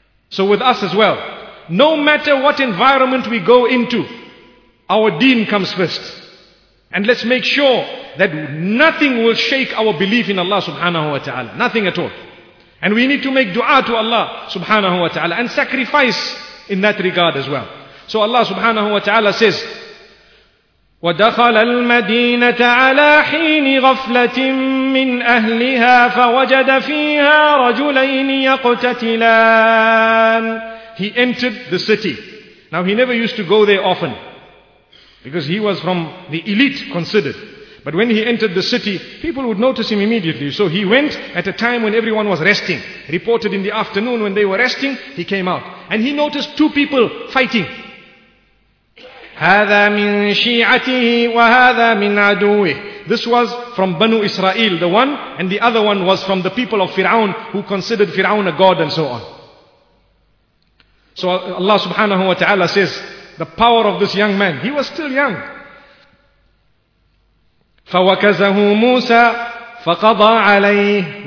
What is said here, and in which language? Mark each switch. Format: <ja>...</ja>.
<en>So with us as well, no matter what environment we go into, our deen comes first. And let's make sure that nothing will shake our belief in Allah subhanahu wa ta'ala. Nothing at all. And we need to make dua to Allah subhanahu wa ta'ala and sacrifice in that regard as well. So Allah subhanahu wa ta'ala says,</en> <ar>ودخل المدينة على حين غفلة من أهلها فوجد فيها رجلين يقتتلان.</ar> <en>He entered the city. Now he never used to go there often because he was from the elite considered. But when he entered the city, people would notice him immediately. So he went at a time when everyone was resting. Reported in the afternoon when they were resting, he came out. And he noticed two people fighting.</en> <ar>هذا من شيعته وهذا من عدوه.</ar> <en>This was from Banu Israel, the one, and the other one was from the people of Fir'aun, who considered Fir'aun a god and so on. So Allah subhanahu wa ta'ala says, the power of this young man, he was still young.</en> <ar>فوكزه موسى فقضى عليه.</ar>